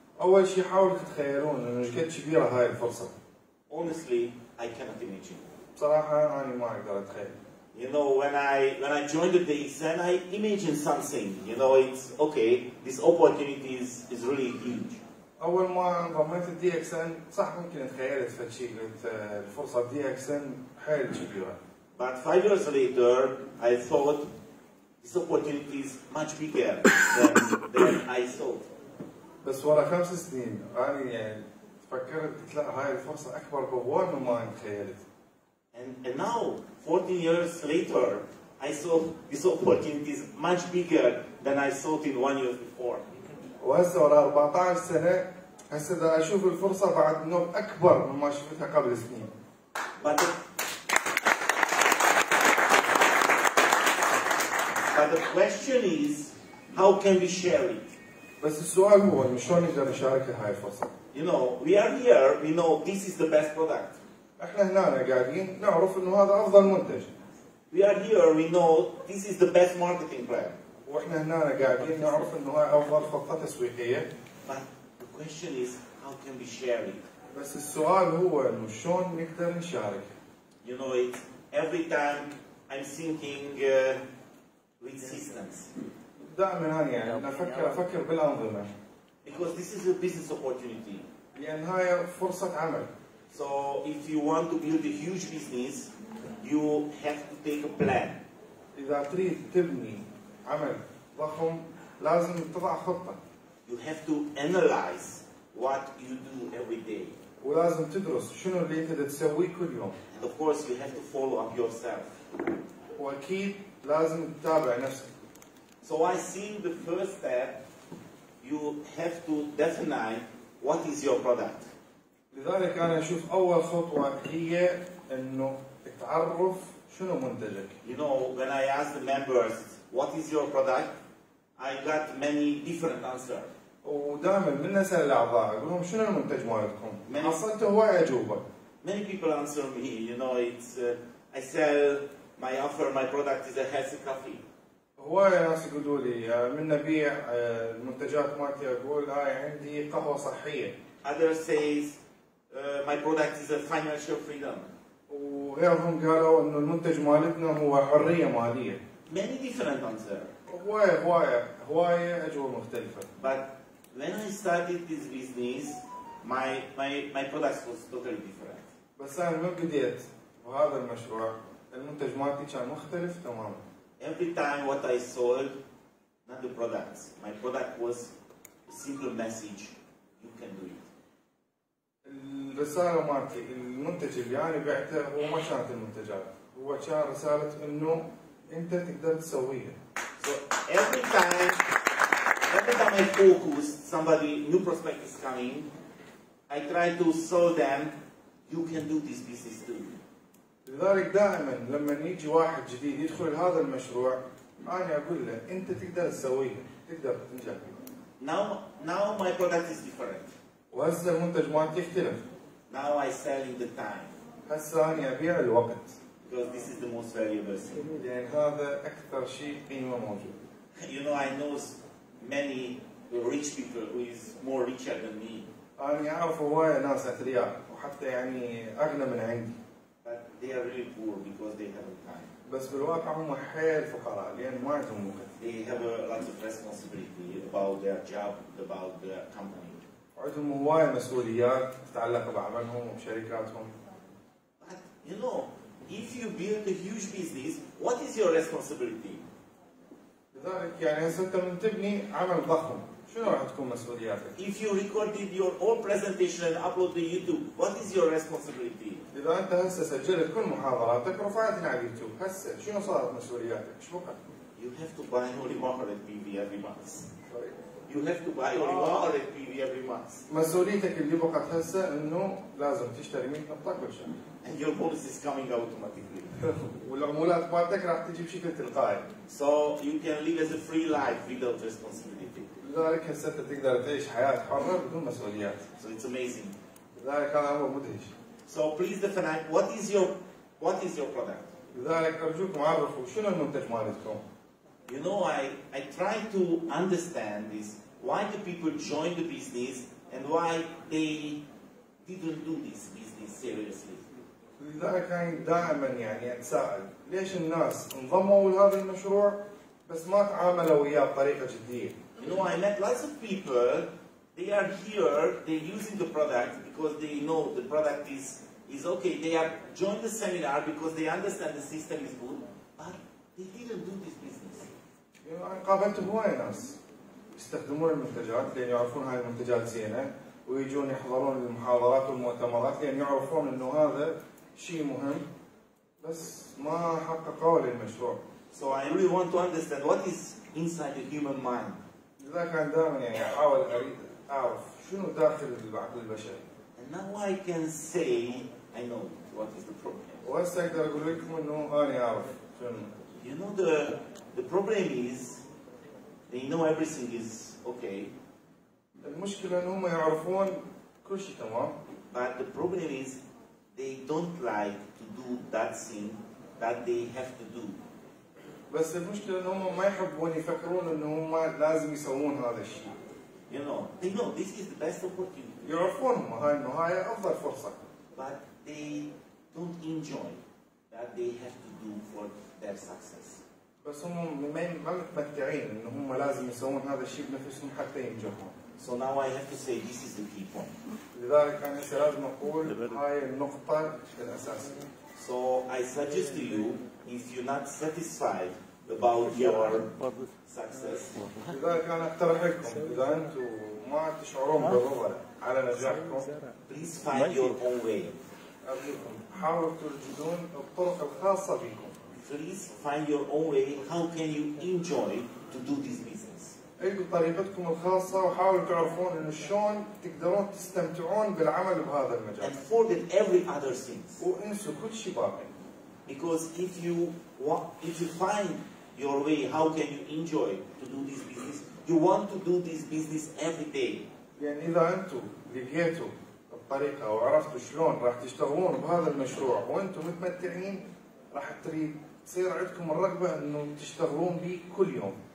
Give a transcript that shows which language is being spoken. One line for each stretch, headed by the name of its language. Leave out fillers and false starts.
Arabic: أول شيء حاولوا تتخيلون إنه إيش قد كبيرة هاي الفرصة.
English: Honestly, I cannot imagine.
Arabic: بصراحة أنا ما أقدر أتخيل.
English: You know, when I joined the ESEN, I imagined something. You know, it's okay, this opportunity is really huge.
Arabic: أول ما انضميت الدي اكس ان صح ممكن تخيلت فتشي قلت الفرصة الدي اكس ان حيل كبيرة.
English: But 5 years later, I thought this opportunity is much bigger than I thought.
Arabic: بس ورا 5 سنين أنا يعني فكرت لا هاي الفرصة أكبر بكثير مما تخيلت.
English: And now, 14 years later, I saw this opportunity is much bigger than I thought in 1 year before.
Arabic: وهسه ورا 14 سنة هسه دا أشوف الفرصة بعد نوب أكبر مما شفتها قبل سنين.
English: But the question is, how can we share it?
Arabic: بس السؤال هو شلون نقدر نشارك هاي الفرصة؟
English: You know, we are here, we know this is the best product.
Arabic: احنا هنا قاعدين نعرف انه هذا افضل منتج.
English: We are here, we know this is the best marketing plan.
Arabic: واحنا هنا قاعدين نعرف انه هاي افضل خطة تسويقية.
English: But the question is, how can we share it?
Arabic: بس السؤال هو انه شلون نقدر نشارك؟
English: You know it, every time I'm thinking with systems.
Arabic: دائما انا يعني افكر بالانظمة.
English: Because this is a business opportunity.
Arabic: لان هاي فرصة عمل.
English: So if you want to build a huge business, you have to take a plan.
Arabic: إذا تريد تبني عمل ضخم لازم تضع خطة.
English: You have to analyze what you do every day.
Arabic: ولازم تدرس شنو اللي أنت تسويه كل يوم.
English: And of course you have to follow up yourself.
Arabic: وأكيد لازم تتابع نفسك.
English: So I think the first step, you have to define what is your product.
Arabic: لذلك أنا أشوف أول خطوة هي إنه تعرف شنو منتجك.
English: You know, when I ask the members what is your product, I got many different answers.
Arabic: ودائما من نسأل الأعضاء أقولهم شنو المنتج مالكم؟ حصلت هواي أجوبة.
English: Many people answer me. You know, it's I sell my offer, my product is a healthy coffee.
Arabic: هواي ناس يقولوا لي من نبيع المنتجات مالتي أقول هاي عندي قهوة صحية.
English: Others says my product is a financial freedom.
Arabic: وغيرهم قالوا إنه المنتج مالتنا هو حرية مالية.
English: Many different answers.
Arabic: هواية هواية هواية أجوبة مختلفة.
English: But when I started this business, my product was totally different.
Arabic: بس أنا من بديت وهذا المشروع المنتج مالتي كان مختلف تماما.
English: Every time what I sold, not the products, my product was a simple message: you can do it.
Arabic: الرسالة مالتي المنتج اللي أنا بعته هو ما كانت المنتجات هو كان رسالة إنه أنت تقدر تسويها.
English: So every time I focus somebody new prospect is coming, I try to show them you can do this business too.
Arabic: لذلك دائما لما يجي واحد جديد يدخل هذا المشروع أنا أقول له أنت تقدر تسويها تقدر تنجح.
English: Now my product is different.
Arabic: وهسه المنتج مالتي يختلف.
English: Now I sell in the time.
Arabic: هسه أنا أبيع الوقت.
English: Because this is the most valuable thing.
Arabic: لأن هذا أكثر شيء قيمة موجود.
English: You know I know many rich people who is more richer than me.
Arabic: أنا أعرف هواية ناس أثرياء وحتى يعني أغنى من عندي.
English: But they are really poor because they have time.
Arabic: بس بالواقع هم حيل فقراء لأن ما عندهم وقت.
English: They have a lot of responsibility about their job, about their company.
Arabic: عندهم هواية مسؤوليات تتعلق بعملهم وبشركاتهم.
English: But you know, if you build a huge business, what is your responsibility?
Arabic: لذلك يعني هسه أنت من تبني عمل ضخم، شنو راح تكون مسؤولياتك؟
English: If you recorded your whole presentation and uploaded to YouTube, what is your responsibility?
Arabic: إذا أنت هسه سجلت كل محاضراتك ورفعتها على اليوتيوب، هسه شنو صارت مسؤولياتك؟ شو وقت؟
English: You have to buy only 100 PV every month. You have to buy only 100 PV every month.
Arabic: مسؤوليتك اللي بقت هسه انه لازم تشتري 100 قطعة كل شهر.
English: And your bonus is coming automatically.
Arabic: والعمولات مالتك راح تجي بشكل تلقائي.
English: So you can live as a free life without responsibility.
Arabic: لذلك هسه انت تقدر تعيش حياة حرة بدون مسؤوليات.
English: So it's amazing.
Arabic: لذلك هذا هو مدهش.
English: So please define what is your product?
Arabic: لذلك أرجوكم عرفوا شنو المنتج مالتكم.
English: You know, I try to understand this. Why do people join the business and why they didn't do this business seriously?
Arabic: لذلك يعني دائما يعني اتساءل ليش الناس انضموا لهذا المشروع بس ما تعاملوا وياه بطريقه جديه.
English: You know, I met lots of people, they are here, they're using the product because they know the product is okay. They have joined the seminar because they understand the system is good, but they didn't do this business. You know, I
Arabic: قابلت هواي ناس يستخدمون المنتجات لان يعرفون هاي المنتجات زينه ويجون يحضرون المحاضرات والمؤتمرات لان يعرفون انه هذا شيء مهم بس ما حققوا للمشروع.
English: So I really want to understand what is inside the human mind.
Arabic: إذا كان دائما يعني أحاول أعرف شنو داخل العقل البشري.
English: And now I can say I know what is the problem.
Arabic: وهسه أقدر أقول لكم إنه أنا أعرف شنو.
English: You know the problem is they know everything is okay.
Arabic: المشكلة إنهم يعرفون كل شيء تمام.
English: But the problem is they don't like to do that thing that they have to do.
Arabic: بس المشكلة إنهم ما يحبون يفكرون إنهم لازم يسوون هذا الشيء.
English: You know, they know this is the best opportunity.
Arabic: يعرفون هاي إنه هاي أفضل فرصة.
English: But they don't enjoy that they have to do for their success.
Arabic: بس هم ما متمتعين إنهم لازم يسوون هذا الشيء بنفسهم حتى ينجحون.
English: So now I have to say this is the key point.
Arabic: لذلك أنا لازم أقول هاي النقطة الأساسية.
English: So I suggest to you, if you're not satisfied about your success,
Arabic: إذا كان اقترحكم إذا أنتم ما تشعرون بالرضا على نجاحكم,
English: please find your own way.
Arabic: أرجوكم حاولوا تجدون الطرق الخاصة بكم.
English: Please find your own way. How can you enjoy to do this business?
Arabic: أجد طريقتكم الخاصة وحاولوا تعرفون إن شلون تقدرون تستمتعون بالعمل بهذا المجال.
English: And forget every other things.
Arabic: وانسوا كل شيء باقي.
English: Because if you find your way, how can you enjoy to do this business? You want to do this business every day.
Arabic: يعني إذا أنتوا لقيتوا الطريقة وعرفتوا شلون راح تشتغلون بهذا المشروع وأنتوا متمتعين راح تصير عندكم الرغبة إنه تشتغلون به كل يوم.